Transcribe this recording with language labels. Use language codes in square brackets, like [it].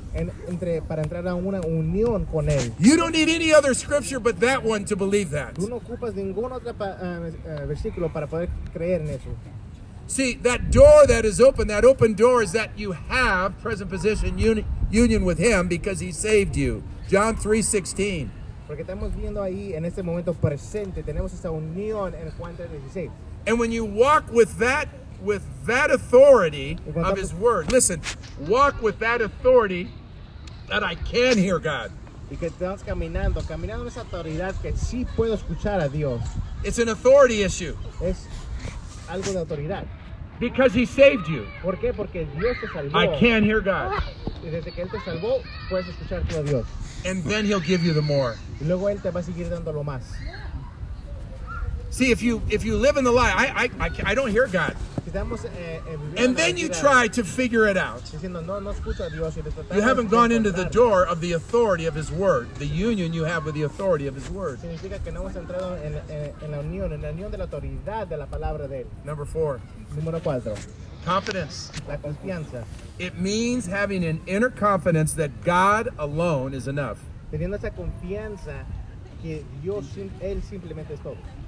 [en] You don't need any other scripture but that one to believe that. See, that door that is open, that open door is that you have present position union with Him because He saved you. John 3:16. [es] Porque estamos viendo ahí en este momento presente, tenemos esa unión en Juan 3:16. [en] And when you walk with that authority of His Word, listen, walk with that authority that I can hear God. [es] Y que estamos caminando en esa autoridad que sí puedo escuchar a Dios. [en] It's an authority issue. [es] Es algo de autoridad. [en] Because He saved you. [es] ¿Por qué? Porque Dios te salvó. [en] I can hear God. [es] Y desde que Él te salvó, puedes escuchar tú a Dios. [en] And then He'll give you the more. [es] Y luego Él te va a seguir dando lo más. [en] See, if you live in the lie, I don't hear God. [es] Estamos, [en] and then you try to figure it out. [es] Diciendo, no escucho a Dios, [en] you haven't gone encontrar. Into the door of the authority of His Word, the union you have with the authority of His Word. [es] Significa que no hemos entrado en la unión de la autoridad de la palabra de Él. [en] Number four. [es] Número cuatro. [en] Confidence. [es] La confianza. [en] It means having an inner confidence that God alone is enough. [es] Teniendo esa confianza que Dios, Él simplemente es todo.